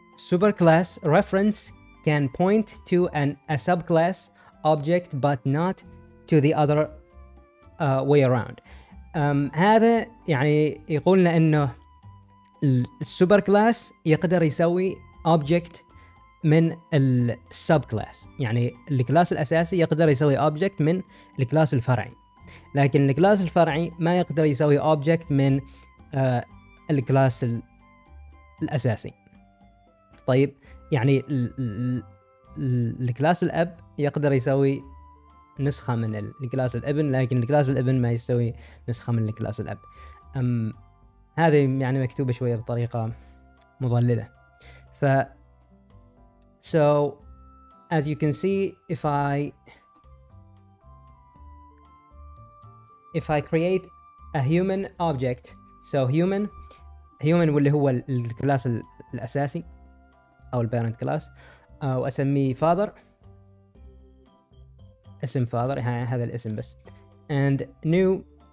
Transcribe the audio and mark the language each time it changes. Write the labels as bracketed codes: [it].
[en] Superclass reference can point to a subclass object, but not to the other way around. [ar] هذا يعني يقول لنا إنه السوبر كلاس يقدر يسوي اوبجكت من السب كلاس، يعني الكلاس الاساسي يقدر يسوي اوبجكت من الكلاس الفرعي، لكن الكلاس الفرعي ما يقدر يسوي اوبجكت من الكلاس الاساسي. طيب يعني الكلاس الاب يقدر يسوي نسخه من الكلاس الابن، لكن الكلاس الابن ما يسوي نسخه من الكلاس الاب. هذه يعني مكتوبة شوية بطريقة مضللة. [en] So as you can see, if I create a human object, so human [ar] واللي هو الكلاس الأساسي أو البارنت كلاس، أو أسميه father، اسم father، هذا الاسم بس، [en] and new.